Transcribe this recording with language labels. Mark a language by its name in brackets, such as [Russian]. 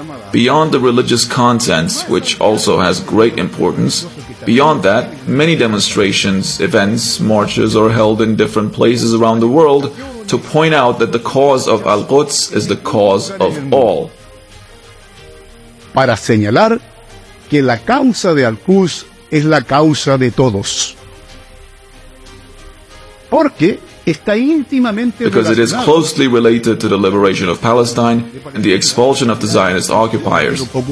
[English] Beyond the religious contents, which also has great importance, beyond that, many demonstrations, events, marches are held in different places around the world to point out that the cause of Al-Quds is the cause of all. [Spanish] Para señalar que la causa de Al-Quds es la causa de todos. [English] Because it is closely related to the liberation of Palestine and the expulsion of the Zionist occupiers.